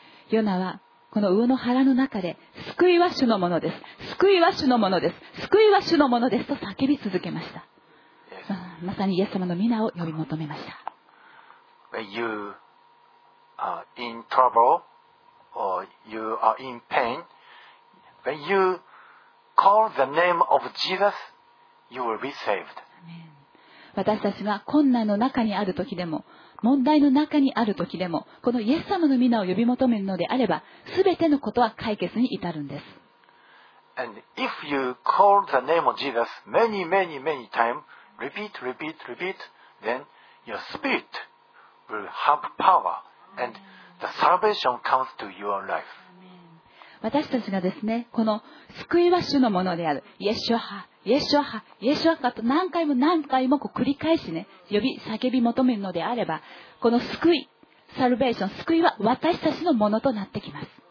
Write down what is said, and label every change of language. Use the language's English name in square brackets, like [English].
[Japanese] ヨナはこの魚の腹の中で救いは主のものです。救いは主のものです。救いは主のものですと叫び続けました。まさにイエス様の御名を呼び求めました。 [English] When you are in trouble or you are in pain, when you call the name of Jesus, you will be saved. [Japanese] 私たちが困難の中にあるときでも、問題の中にあるときでも、このイエス様の御名を呼び求めるのであれば、すべてのことは解決に至るんです。 [English] And if you call the name of Jesus many, many, many times,Repeat, repeat, repeat. Then your spirit will have power, and the salvation comes to your life. [Japanese] 私たちがですね、この救いは主のものである、イエシュアハ、イエシュアハ、イエシュアハと何回も何回もこう繰り返しね、呼び叫び求めるのであれば、この救い、サルベーション、救いは私たちのものとなってきます。